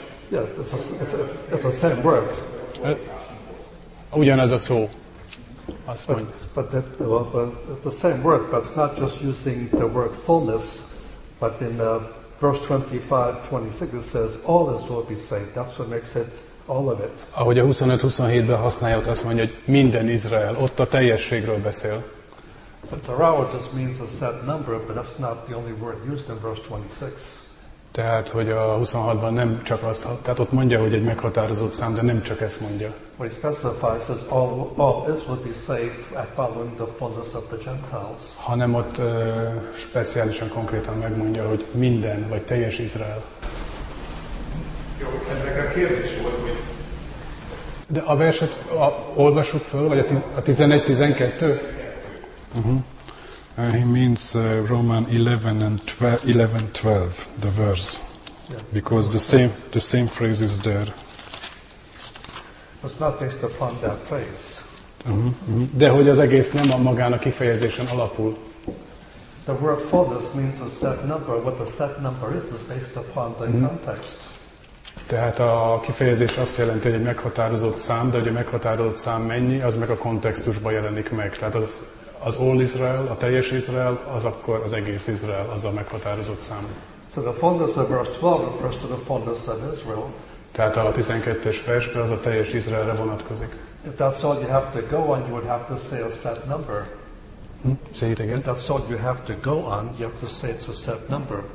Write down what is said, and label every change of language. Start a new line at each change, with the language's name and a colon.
English: Yeah, it's the same word.
Hungarian: Ugyanaz a szó.
English: But the same word, but it's not just using the word fullness, but in verse 25-26 it says all Israel be saved. That's what makes it all of it.
Hungarian: Ahogy a 25-27-ben használja, azt mondja, hogy minden Izrael, ott a teljességről beszél.
English: So Torah just means a set number, but that's not the only word used in verse 26.
Hungarian: Tehát, hogy a 26-ban nem csak azt, tehát ott mondja, hogy egy meghatározott szám, de nem csak ezt mondja.
English: What he specifies is all Israel be saved at following the fullness of the Gentiles.
Hungarian: Hanem ott speciálisan konkrétan megmondja, hogy minden, vagy teljes Izrael. Jó, ennek a kérdés volt, hogy... De a verset olvasuk föl, vagy a 11-12?
English: He means Roman 11 and 11:12, the verse, because the same phrase is there. It's not based upon that phrase.
Hungarian: De hogy az egész nem a magán a kifejezésen alapul.
English: The word fullness means a set number. What the set number is based upon the context.
Hungarian: Tehát a kifejezés azt jelenti, hogy egy meghatározott szám, de hogy a meghatározott szám mennyi, az meg a kontextusban jelenik meg. Tehát az
English: all Israel,
Hungarian: a teljes Izrael, az akkor az egész Izrael, az a meghatározott szám.
English: So the fullness of verse 12 refers to the fullness of Israel.
Hungarian: Tehát a 12-es versben az a teljes Izraelre vonatkozik.
English: If that's all you have to go on, you would have to say a set number. Say it again. If that's all you have to go on, you have to say it's a set number.